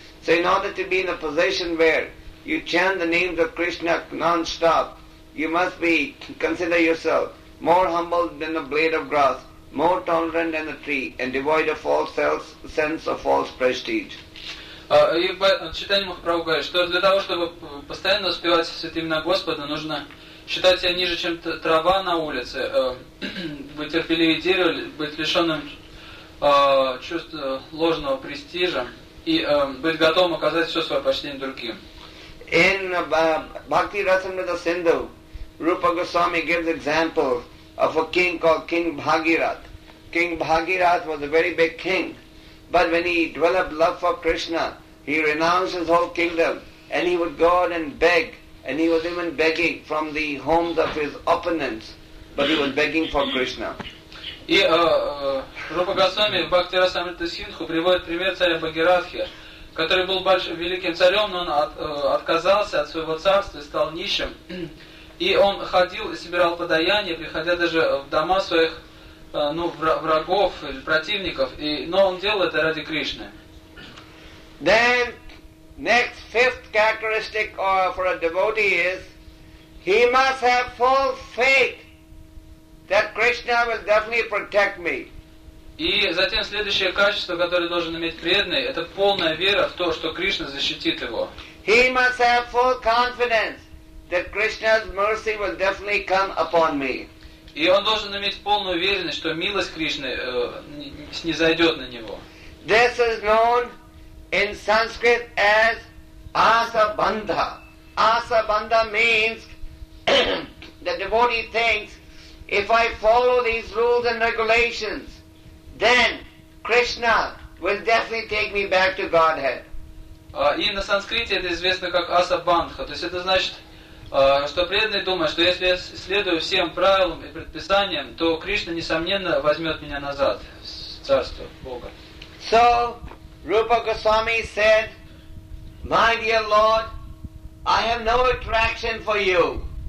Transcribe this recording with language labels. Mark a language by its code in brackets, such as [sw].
[en] So, in order to be in a position where you chant the names of Krishna non-stop, you must be, consider yourself, more humble than a blade of grass, more tolerant than a tree, and devoid of false sense of false prestige. [ru] Читание Махапрабху говорит, что для того, чтобы постоянно успевать святым именем Господа, нужно считать себя ниже, чем трава на улице, быть терпеливее дерева, быть лишенным чувства ложного престижа, и быть готовым оказать все свое почтение другим. [en] In Bhakti Rasamrita Sindhu, Rupa Goswami gives example of a king called King Bhagirath. King Bhagirath was a very big king, but when he developed love for Krishna, he renounced his whole kingdom and he would go out and beg, and he was even begging from the homes of his opponents, but he was begging for Krishna. [ru] И Рупа Госвами в Бхакти Расамрита Синдху приводит пример царя Бхагиратхи, который был великим царем, но он отказался от своего царства и стал нищим. И он ходил и собирал подаяние, приходя даже в дома своих врагов или противников, но он делал это ради Кришны. [en] Then next fifth characteristic for a devotee is he must have full faith that Krishna will definitely protect me. [ru] И затем следующее качество, которое должен иметь преданный, это полная вера в то, что Кришна защитит его. [en] He must have full confidence that Krishna's mercy will definitely come upon me. [ru] И он должен иметь полную уверенность, что милость Кришны снизойдет на него. [en] This is known in Sanskrit as asabandha. Asabandha means the devotee thinks, if I follow these rules and regulations, then Krishna will definitely take me back to Godhead. [ru] И на санскрите это известно как асабандха. То есть это значит, что преданный думает, что если я следую всем правилам и предписаниям, то Кришна, несомненно, возьмет меня назад в царство Бога. [en] So, Rupa Goswami said, my dear Lord, I have no attraction for you.